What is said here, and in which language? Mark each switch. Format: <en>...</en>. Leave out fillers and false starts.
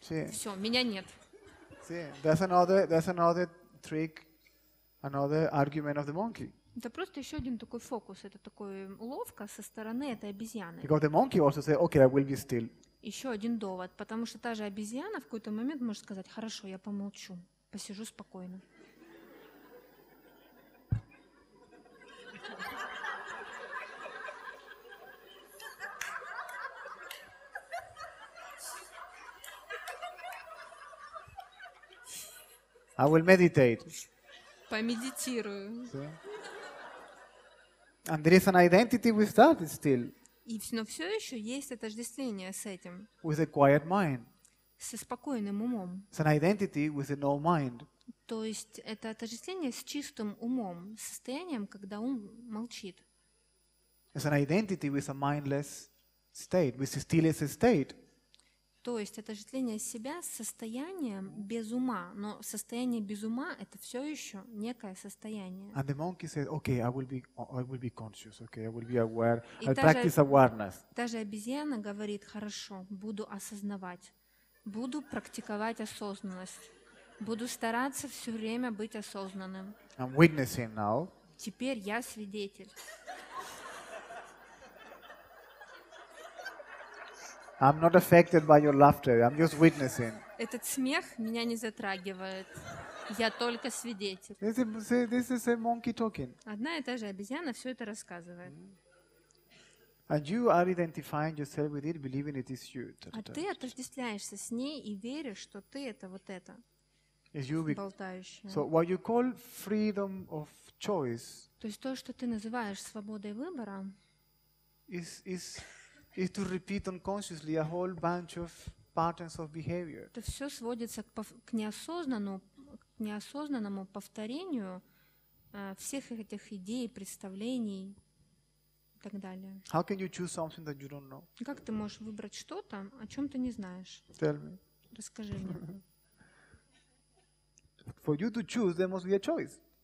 <en>See.</en> <ru>Все, меня нет.</ru> <en>See, that's another trick, another argument of the monkey.</en> <ru>Это просто еще один такой фокус, это такая уловка со стороны этой обезьяны.</ru> <en>Because the monkey also says, okay, I will be still.</en> <ru>Еще один довод, потому что та же обезьяна в какой-то момент может сказать, хорошо, я помолчу, посижу спокойно.</ru> <en>I will meditate.</en> <ru>Помедитирую.</ru> <en>And there is an identity with that still.</en> <ru>И все еще есть отождествление с этим.</ru> <en>With a quiet mind.</en> <ru>Со спокойным умом.</ru> <en>It's an identity with a no mind.</en> <ru>То есть это отождествление с чистым умом, состоянием, когда ум молчит.</ru> <en>It's an identity with a mindless state, with a stillness state.</en> <ru>То есть отождествление себя с состоянием без ума, но состояние без ума — это все еще некое состояние.</ru> <en>And the monkey said, "Okay, I will be conscious. Okay, I will be aware. I'll practice awareness."</en> <ru>Та же обезьяна говорит: "Хорошо, буду осознавать, буду практиковать осознанность, буду стараться все время быть осознанным."</ru> <en>I'm witnessing now.</en> <ru>Теперь я свидетель.</ru> <en>I'm not affected by your laughter. I'm just witnessing.</en> <ru>Этот смех меня не затрагивает. Я только свидетель.</ru> <en>This is a monkey talking.</en> <ru>Одна и та же обезьяна все это рассказывает.</ru> <en>And you are identifying yourself with it, believing it is you.</en> <ru>А ты отождествляешься с ней и веришь, что ты это вот это. Болтающая.</ru> <en>So what you call freedom of choice.</en> <ru>То есть то, что ты называешь свободой выбора.</ru> <en>Is to repeat unconsciously a whole bunch of patterns of behavior.</en> <ru>Это все сводится к неосознанному повторению всех этих идей, представлений и так далее.</ru> <en>How can you choose something that you don't know?</en> <ru>Как ты можешь выбрать что-то, о чем ты не знаешь?</ru> <en>Tell me.</en> <ru>Расскажи мне.</ru> <en>For you to choose, there must be a choice.</en>